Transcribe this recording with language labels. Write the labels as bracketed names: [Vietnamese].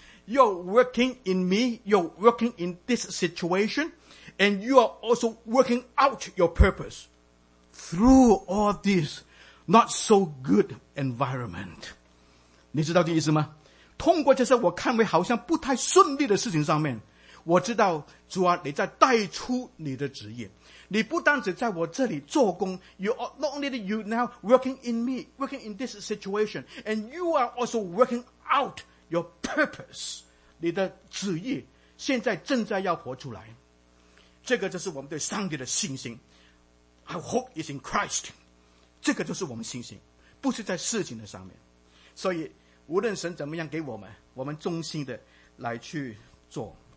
[English] You're working in me， You're working in this situation， And you are also working out your purpose through all this not so good environment， [Chinese] 你知道这意思吗？通过这些我看为好像不太顺利的事情上面，我知道主啊，你在带出你的旨意。你不单只在我这里做工， [English] not only you now working in me, working in this situation, and you are also working out your purpose. [Chinese] 你的旨意现在正在要活出来。这个就是我们对上帝的信心。 [English] Our hope is in Christ. [Chinese] 这个就是我们信心，不是在事情的上面。所以无论神怎么样给我们，我们忠心的来去做。